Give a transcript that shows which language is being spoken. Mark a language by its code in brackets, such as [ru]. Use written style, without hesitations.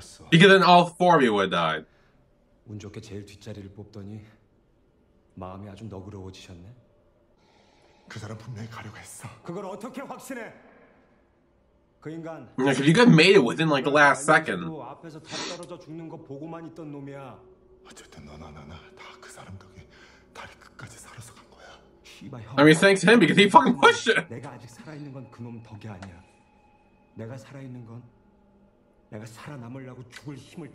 [en] Because then all four of you would have died. [ko] 좋게 제일 뒷자리를 뽑더니 마음이 아주 너그러워지셨네. 그 사람 분명히 가려고 했어. 그걸 어떻게 확신해? [en] Yeah, because you got made it within like the last second. I mean, thanks to him because he fucking pushed it.